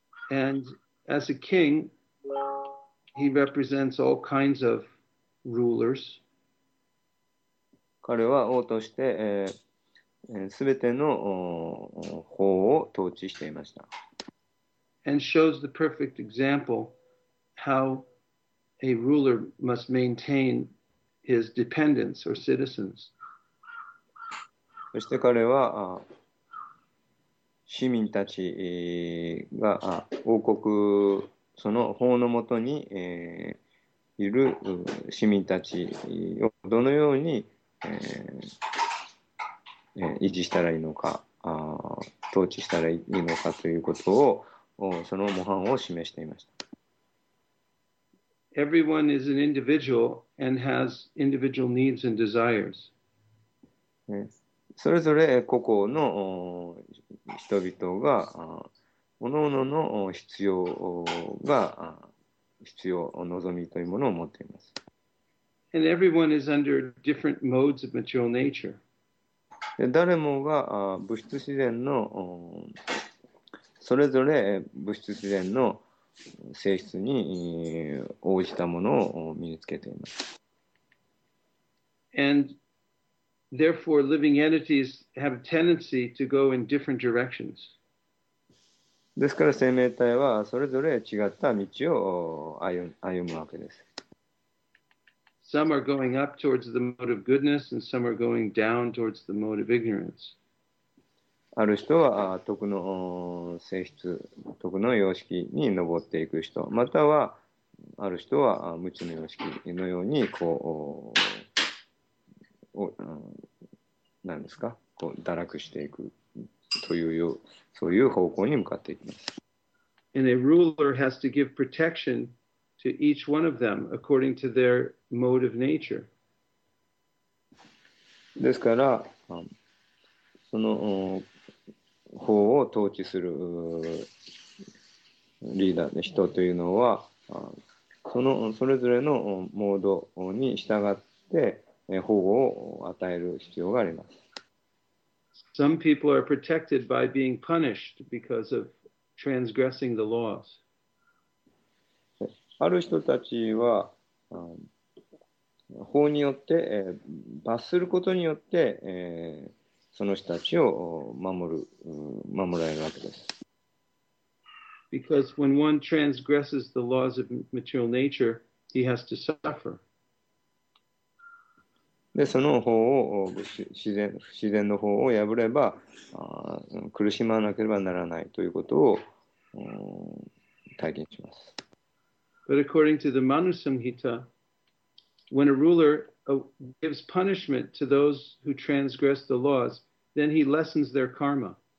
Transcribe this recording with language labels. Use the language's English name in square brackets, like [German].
[English] And as a king, he represents all kinds of rulers. [Japanese] 彼は王として、すべての法を統治していました。 [English] And shows the perfect example howA ruler must maintain his dependents or citizens. [Japanese] そして彼は市民たちが王国その法のもとにいる市民たちをどのように維持したらいいのか、統治したらいいのかということをその模範を示していました。 [English] Everyone is an individual and has individual needs and desires. [Japanese] それぞれ個々の人々が各々の必要が必要お望みというものを持っています。 [English] And everyone is under different modes of material nature. [Japanese] 誰もが物質自然のそれぞれ物質自然の性質に応じたものを身につけています。 [English] And therefore, living entities have a tendency to go in different directions. [Japanese] ですから生命体はそれぞれ違った道を歩むわけです。 [English] Some are going up towards the mode of goodness, and some are going down towards the mode of ignorance. [Japanese] ある人は徳の性質、徳の様式に上っていく人、またはある人は無知の様式のようにこう、何ですか、こう堕落していくというよう、そういう方向に向かっていきます。 [English] And a ruler has to give protection to each one of them according to their mode of nature. [Japanese] ですから、その法を統治するリーダーの人というのは、そのそれぞれのモードに従って保護を与える必要があります。 [English] Some people are protected by being punished because of transgressing the laws. [Japanese] ある人たちは法によって罰することによってその人たちを守られるわけです。 [English] Because when one transgresses the laws of material nature, he has to suffer. [Japanese] で、その法を、自然の法を破れば、苦しまなければならないということを体験します。 [English] But according to the Manu Samhita, when a ruler gives punishment to those who transgress the laws, then he lessens their karma.